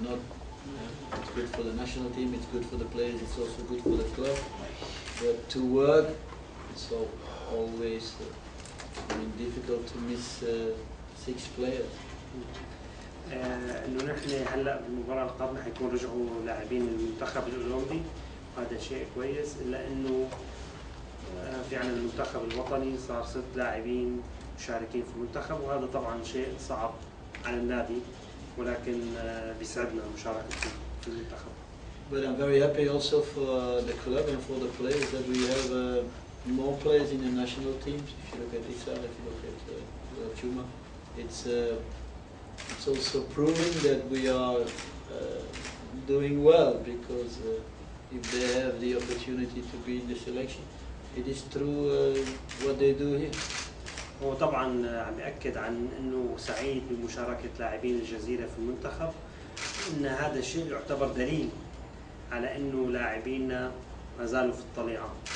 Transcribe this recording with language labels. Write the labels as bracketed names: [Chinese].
[English] Not it's good for the national team, it's good for the players, it's also good for the club. But to work, it's so always. Difficult to miss six players. [Arabic] إنه نحن هلا بالمباراة القادمة حيكون رجعوا لاعبين المنتخب الأولمبي، هذا شيء كويس، إلا إنه في عنا المنتخب الوطني صار ست لاعبين مشاركين في المنتخب، وهذا طبعا شيء صعب على النادي، ولكن بيسعدنا مشاركة في المنتخب. [English] But I'm very happy also for the club and for the players that we have more players in the national teams. If you look at Israel, if you look at Chuma, it's also proving that we are doing well, because if they have the opportunity to be in the selection, it is through what they do here. [Arabic] هو طبعا عم بأكد عن إنه سعيد بمشاركة لاعبين الجزيرة في المنتخب، إن هذا الشيء يعتبر دليل على إنه لاعبينا ما زالوا في الطليعة.